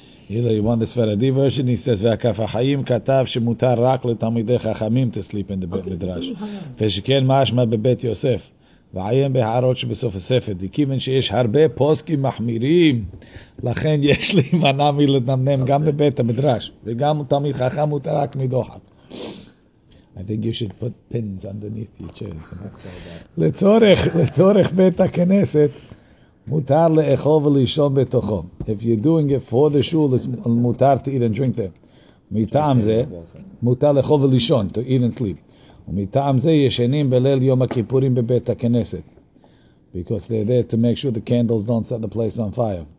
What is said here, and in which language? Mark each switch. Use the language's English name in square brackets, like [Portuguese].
[English] אילה, you want the Sfaradi version? He says, [Hebrew] והקף החיים כתב שמותר רק לתמידי חכמים [English] to sleep in the מדרש. [Hebrew] ושכן משמע בבית יוסף. ועיין בהערות שבסוף הספר, דיקימן שיש הרבה פוסקים מחמירים, לכן יש לי מנה מלנמנם גם בבית המדרש, וגם תמיד חכם הוא תרק מדוחק. [English] I think you should put pins underneath your chair. [Hebrew] לצורך בית הכנסת, מותר לאכול ולישון בתוכו. [English] If you're doing it for the shul, מותר to eat and drink there. [Hebrew] מטעם זה, מותר לאכול ולישון, [English] to eat and sleep. [Hebrew] ומטעם זה ישנים בליל יום הכיפורים בבית הכנסת. [English] Because they're there to make sure the candles don't set the place on fire.